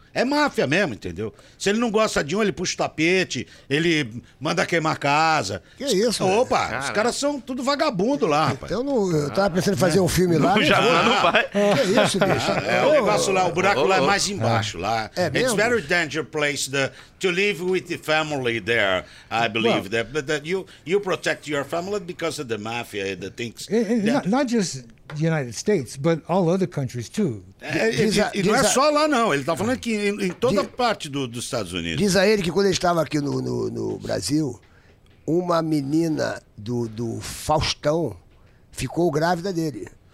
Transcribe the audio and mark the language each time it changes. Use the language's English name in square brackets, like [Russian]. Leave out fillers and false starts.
[Portuguese] É máfia mesmo, entendeu? Se ele não gosta de um, ele puxa o tapete, ele manda queimar a casa. Que isso, mano? Opa, cara. Os caras são tudo vagabundo lá, rapaz. Então, eu tava pensando em fazer um filme lá. Já não, vai. Que isso, bicho? O negócio lá, o buraco lá é mais embaixo, lá. É mesmo? [English] It's very dangerous place to live with the family there, I believe. Well, that you protect your family because of the mafia, the things. Not just the United States, but all other countries too. [Portuguese] Não é só lá, não. Ele está falando que em toda parte dos Estados Unidos. Diz a ele que quando ele estava aqui no Brasil, uma menina do Faustão ficou grávida dele.